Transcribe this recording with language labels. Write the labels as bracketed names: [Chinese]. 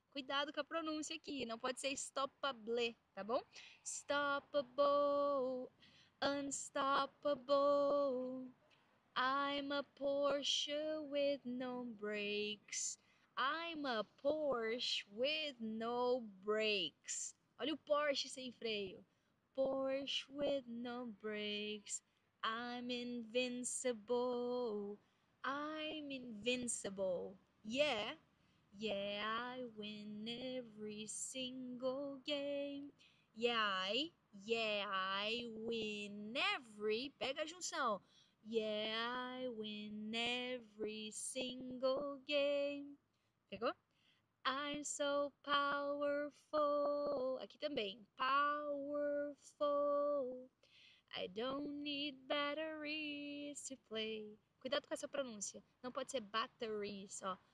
[Portuguese] Cuidado com a pronúncia aqui, não pode ser stoppable, tá bom? [English] Stoppable, unstoppable, I'm a Porsche with no brakes, I'm a Porsche with no brakes. [Portuguese] Olha o Porsche sem freio. [English] Porsche with no brakes, I'm invincible, I'm invincible. Yeah! Yeah, I win every single game. Yeah, I win every... [Portuguese] Pega a junção. [English] Yeah, I win every single game. [Portuguese] Pegou? [English] I'm so powerful. [Portuguese] Aqui também. [English] Powerful. I don't need batteries to play. [Portuguese] Cuidado com essa pronúncia. Não pode ser batteries, ó.